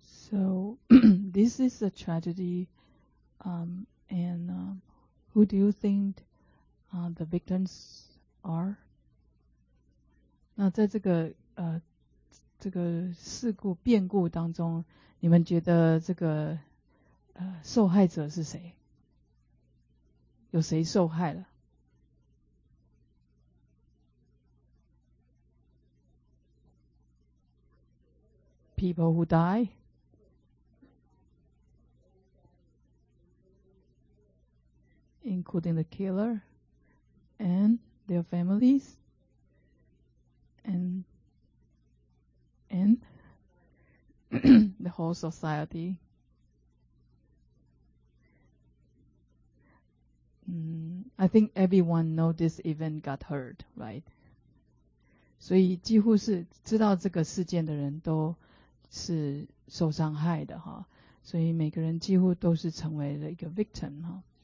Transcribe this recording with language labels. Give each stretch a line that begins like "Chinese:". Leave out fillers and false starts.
English: So this is a tragedy, and who do you think the victims are?
Chinese: 那在这个这个事故变故当中，你们觉得这个受害者是谁？有谁受害了？
English: People who die? Including the killer and their families? And the whole society? I think everyone knows this event got hurt, right?
Chinese: 所以几乎是知道这个事件的人都是受伤害的哈，所以每个人几乎都是成为了一个 victim 哈。